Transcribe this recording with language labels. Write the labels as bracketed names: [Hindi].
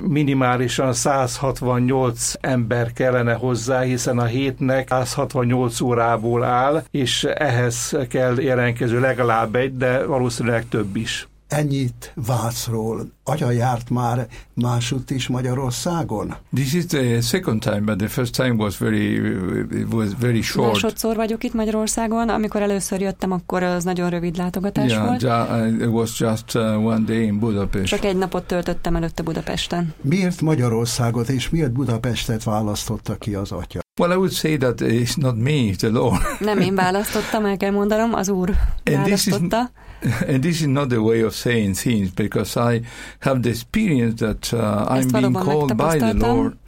[Hungarian] Minimálisan 168 ember kellene hozzá, hiszen a hétnek 168 órából áll, és ehhez kell jelenkező legalább egy, de valószínűleg több is. Ennyit Vácról. Atya járt már másutt is Magyarországon? [English] This is the second time, but the first time was very short. [Hungarian] Másodszor vagyok itt Magyarországon. Amikor először jöttem, akkor az nagyon rövid látogatás volt. [English] It was just one day in Budapest. [Hungarian] Csak egy napot töltöttem előtte Budapesten. Miért Magyarországot és miért Budapestet választotta ki az atya? [English] Well, I would say that it's not me, it's the Lord. [Hungarian] Nem én választottam, el kell mondanom, az Úr választotta. [English] And this is not the way of saying things, because I have the experience that I'm being called by the Lord.